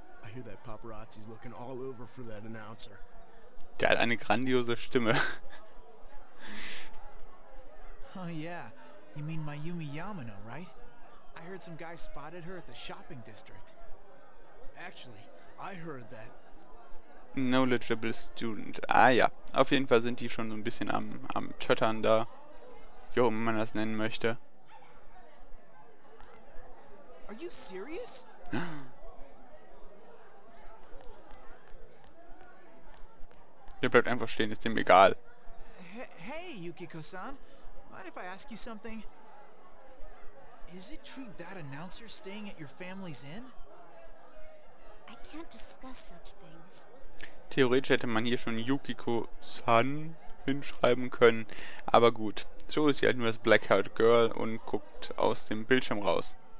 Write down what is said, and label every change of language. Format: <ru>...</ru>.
<en>I hear that paparazzi's looking all over for that announcer.</en> <de>Der hat eine grandiose Stimme.</de> <en>Oh yeah, you mean Mayumi Yamano, right? I heard some guy spotted her at the shopping district. Actually, I heard that... No legible student.</en> <de>Ah ja, auf jeden Fall sind die schon so ein bisschen am tötern da. Wie auch immer man das nennen möchte.</de> <en>Are you serious?</en> <de>Ihr bleibt einfach stehen, ist dem egal.</de> <en>Hey, Yukiko-san. Mind if I ask you something? Is it true that announcer staying at your family's inn? I can't discuss such things.</en> <de>Theoretisch hätte man hier schon Yukiko-san hinschreiben können. Aber gut, so ist sie halt nur das Blackheart Girl und guckt aus dem Bildschirm raus.</de>